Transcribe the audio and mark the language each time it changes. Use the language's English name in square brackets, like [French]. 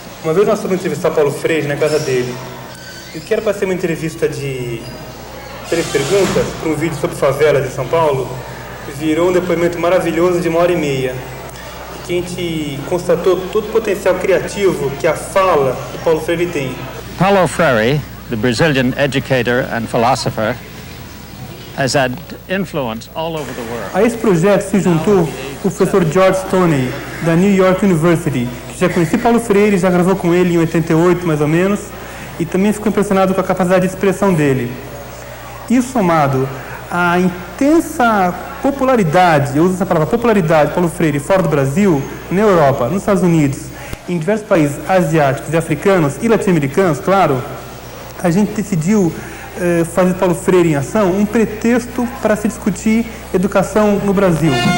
[Portuguese] Uma vez nós fomos entrevistar Paulo Freire na casa dele. E o que era para ser uma entrevista de 3 perguntas para um vídeo sobre favelas em São Paulo virou um depoimento maravilhoso de 1 hora e meia, que a gente constatou todo o potencial criativo que a fala do Paulo Freire tem. [English] Paulo Freire, the Brazilian educator and philosopher, has had influence all over the world. [Portuguese] A esse projeto se juntou o professor George Stoney, da New York University, que já conhecia Paulo Freire, já gravou com ele em 88, mais ou menos, e também ficou impressionado com a capacidade de expressão dele. Isso somado à intensa popularidade, eu uso essa palavra, popularidade, Paulo Freire, fora do Brasil, na Europa, nos Estados Unidos, em diversos países asiáticos e africanos e latino-americanos, claro, a gente decidiu fazer Paulo Freire em Ação um pretexto para se discutir educação no Brasil.